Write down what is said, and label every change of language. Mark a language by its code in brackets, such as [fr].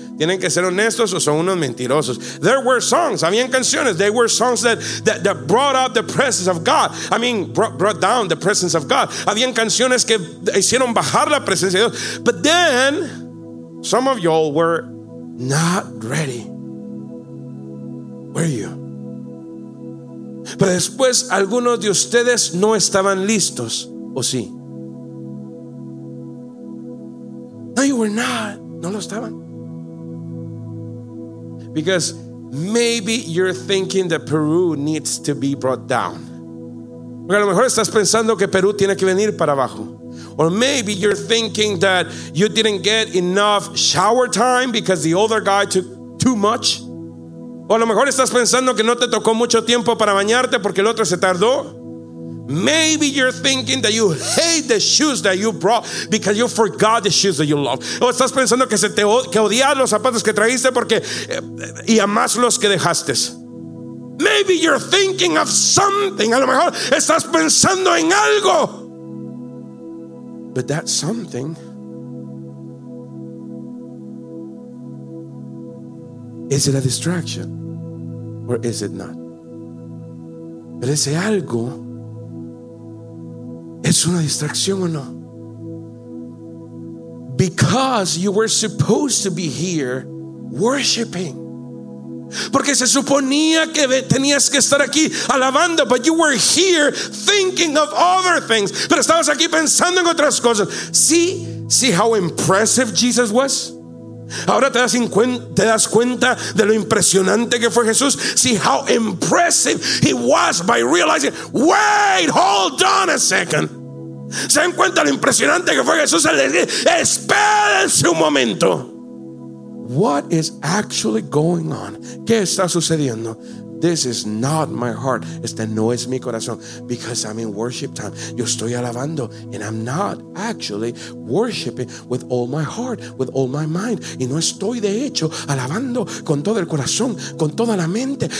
[es] Tienen que ser honestos o son unos mentirosos. [en] There were songs. [es] Habían canciones. [en] They were songs that brought up the presence of God. Brought down the presence of God. [es] Habían canciones que hicieron bajar la presencia de Dios. [en] But then, some of y'all were not ready. Were you? [es] Pero después algunos de ustedes no estaban listos, ¿o sí? [en] No, you were not. [es] No lo estaban. [en] Because maybe you're thinking that Peru needs to be brought down. [es] Porque a lo mejor estás pensando que Perú tiene que venir para abajo. [en] Or maybe you're thinking that you didn't get enough shower time because the other guy took too much. [es] O a lo mejor estás pensando que no te tocó mucho tiempo para bañarte porque el otro se tardó. [en] Maybe you're thinking that you hate the shoes that you brought because you forgot the shoes that you love. [es] O estás pensando que se te odias los zapatos que trajiste porque y amas los que dejaste. [en] Maybe you're thinking of something. [es] A lo mejor estás pensando en algo. [en] But that something, is it a distraction or is it not? [es] Pero ese algo, ¿es una distracción o no? [en] Because you were supposed to be here worshiping. [es] Porque se suponía que tenías que estar aquí alabando, [en] but you were here thinking of other things. [es] Pero estabas aquí pensando en otras cosas. [en] See how impressive Jesus was? [es] Ahora te das cuenta de lo impresionante que fue Jesús. [en] See how impressive he was by realizing, wait, hold on a second. [es] Se dan cuenta lo impresionante que fue Jesús al decir, espérense un momento. [en] What is actually going on? [es] ¿Qué está sucediendo? [en] This is not my heart. [es] Este no es mi corazón. [en] Because I'm in worship time. [es] Yo estoy alabando. [en] And I'm not actually worshiping with all my heart, with all my mind. [es] Y no estoy de hecho alabando con todo el corazón, con toda la mente.